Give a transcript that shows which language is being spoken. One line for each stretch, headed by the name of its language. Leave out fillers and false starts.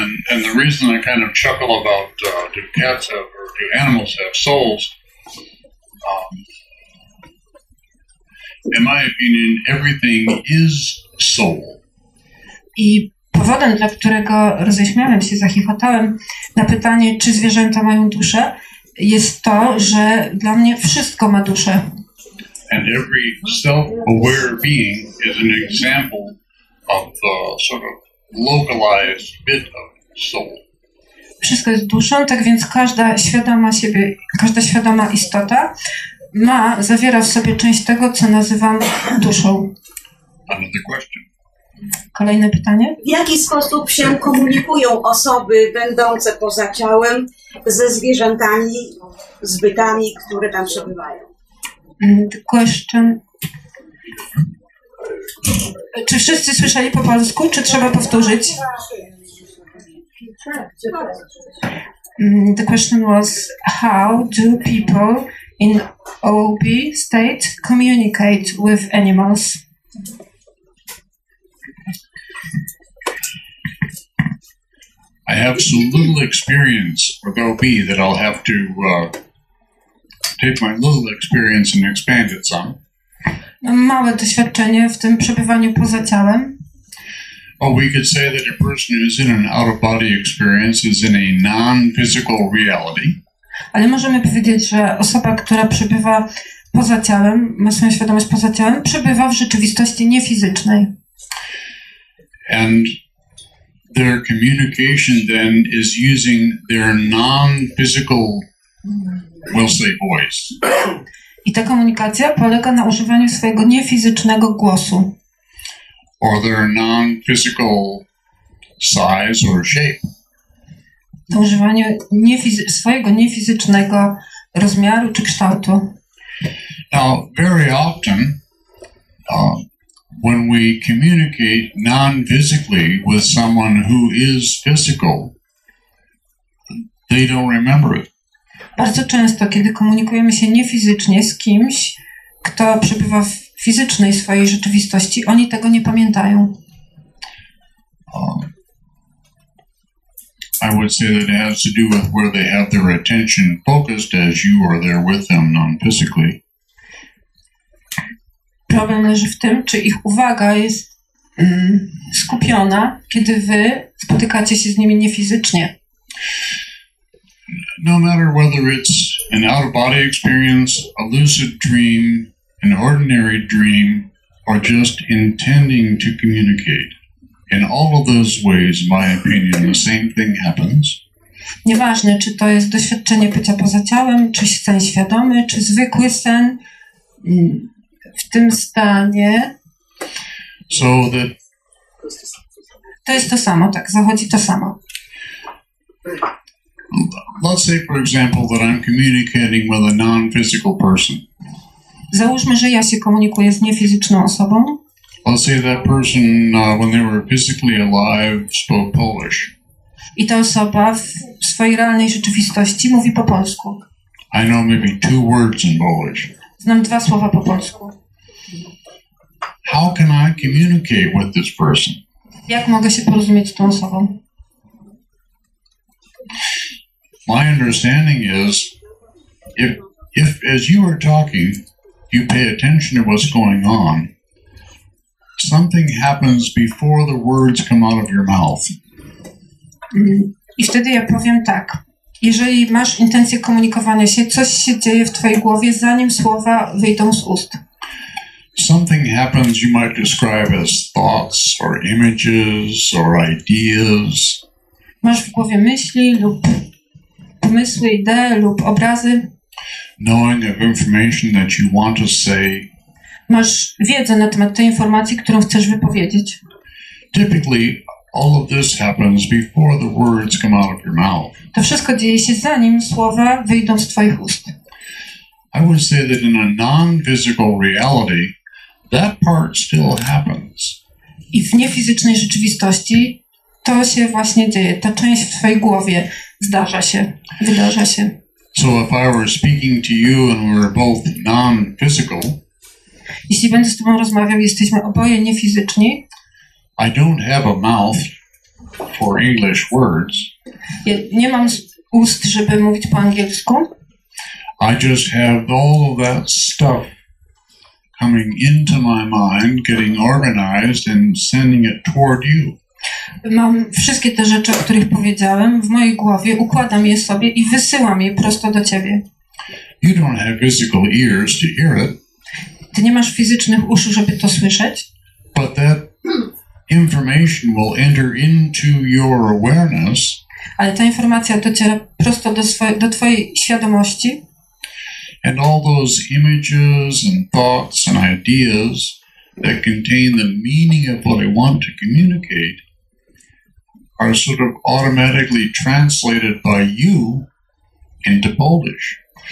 English: And the reason I kind of chuckle about do cats have or do animals have souls, in my opinion, everything is soul.
Polish: I powodem, dla którego roześmiałem się, zachichotałem na pytanie, czy zwierzęta mają duszę, jest to, że dla mnie wszystko ma duszę.
English: And every self-aware being is an example of the sort of localized bit of soul.
Polish: Wszystko jest duszą, tak więc każda świadoma siebie, każda świadoma istota ma, zawiera w sobie część tego, co nazywam duszą.
English: Another question.
Polish: Kolejne pytanie. W jaki sposób się komunikują osoby będące poza ciałem ze zwierzętami, z bytami, które tam przebywają?
English: Another question.
Polish: Czy wszyscy słyszeli po polsku, czy trzeba powtórzyć?
English: The question was, how do people in OB state communicate with animals? I have so little experience with OB that I'll have to take my little experience and expand it some.
Polish: Mam małe doświadczenie w tym przebywaniu poza ciałem.
English: Well, we could say that a person who is in an out-of-body experience is in a non-physical reality.
Polish: Ale możemy powiedzieć, że osoba, która przebywa poza ciałem, ma swoją świadomość poza ciałem, przebywa w rzeczywistości niefizycznej.
English: And their communication then is using their non-physical, we'll say, voice.
Polish: I ta komunikacja polega na używaniu swojego niefizycznego głosu.
English: Or their non-physical size or shape.
Polish: Na używaniu swojego niefizycznego rozmiaru czy kształtu.
English: Now, very often, when we communicate non-physically with someone who is physical, they don't remember it.
Polish: Bardzo często, kiedy komunikujemy się niefizycznie z kimś, kto przebywa w fizycznej swojej rzeczywistości, oni tego nie pamiętają.
English: I would say that it has to do with where they have their attention focused as you are there with them non-physically.
Polish: Problem leży w tym, czy ich uwaga jest skupiona, kiedy wy spotykacie się z nimi niefizycznie.
English: No matter whether it's an out-of-body experience, a lucid dream, an ordinary dream, or just intending to communicate, in all of those ways, my opinion, the same thing happens.
Polish: Nieważne, czy to jest doświadczenie bycia poza ciałem, czy sen świadomy, czy zwykły sen, w tym stanie.
English: So that.
Polish: To jest to samo, tak, zachodzi to samo.
English: Let's say, for example, that I'm communicating with a non-physical person.
Polish: Załóżmy, że ja się komunikuję z niefizyczną osobą.
English: Let's say that person, when they were physically alive, spoke Polish.
Polish: I ta osoba w swojej realnej rzeczywistości mówi po polsku.
English: I know maybe two words in Polish.
Polish: Znam dwa słowa po polsku.
English: How can I communicate with this person?
Polish: Jak mogę się porozumieć z tą osobą?
English: My understanding is, if as you are talking, you pay attention to what's going on, Something happens before the words come out of your mouth.
Polish: I wtedy ja powiem tak. Jeżeli masz intencje komunikowania się, coś się dzieje w twojej głowie, zanim słowa wyjdą z ust.
English: Something happens you might describe as thoughts or images or ideas.
Polish: Masz w głowie myśli lub pomysły, idee lub obrazy.
English: Knowing of information that you want to say.
Polish: Masz wiedzę na temat tej informacji, którą chcesz wypowiedzieć.
English: Typically, all of this happens before the words come out of your mouth.
Polish: To wszystko dzieje się zanim słowa wyjdą z twoich ust.
English: I would say that in a non-physical reality, that part still happens.
Polish: I w niefizycznej rzeczywistości to się właśnie dzieje. Ta część w twojej głowie zdarza się, wydarza się.
English: So if I were speaking to you and we were both non-physical,
Polish: jeśli będę z tobą rozmawiał, jesteśmy oboje niefizyczni.
English: I don't have a mouth for English words.
Polish: Ja nie mam ust, żeby mówić po angielsku.
English: I just have all of that stuff coming into my mind, getting organized and sending it toward you.
Polish: Mam wszystkie te rzeczy, o których powiedziałem, w mojej głowie, układam je sobie i wysyłam je prosto do ciebie.
English: You don't have physical ears to hear it.
Polish: Ty nie masz fizycznych uszu, żeby to słyszeć.
English: But that information will enter into your awareness.
Polish: Ale ta informacja dociera prosto do twojej świadomości.
English: And all those images and thoughts and ideas that contain the meaning of what I want to communicate are sort of automatically translated by you into Polish.